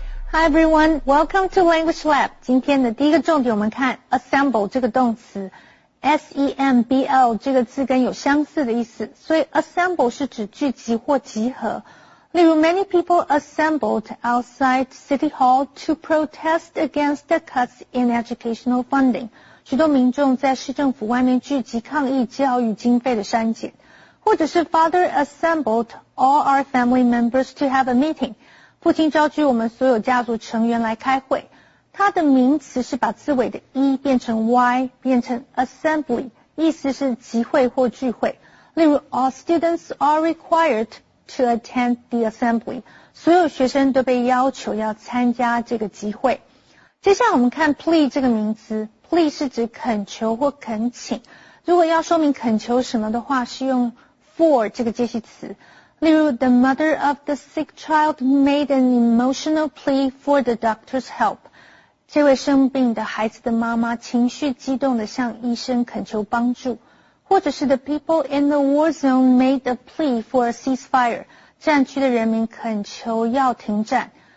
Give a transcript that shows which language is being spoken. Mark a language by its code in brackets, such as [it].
[en] Hi everyone, welcome to Language Lab. [zh] 今天的第一个重点我们看 assemble 这个动词。 S-E-M-B-L 这个字根有相似的意思，所以 assemble 是指聚集或集合。例如 [en] ,many people assembled outside City Hall to protest against the cuts in educational funding. [zh] 许多民众在市政府外面聚集抗议教育经费的删减。或者是 [en] father assembled all our family members to have a meeting. [zh] 父亲召集我们所有家族成员来开会。它的名词是把字尾的 e 变成 y, 变成 assembly, 意思是集会或聚会。 [en] 例如 ,all students are required to attend the assembly, [zh] 所有学生都被要求要参加这个集会。接下来我们看 plea 这个名词 ,plea 是指恳求或恳请。如果要说明恳求什么的话是用 for 这个介系词。例如 [en] ,the mother of the sick child made an emotional plea for the doctor's help. [zh] 这位生病的孩子的妈妈情绪激动地向医生恳求帮助，或者是 [en] the people in the war zone made a plea for a ceasefire, [zh] 战区的人民恳求要停战。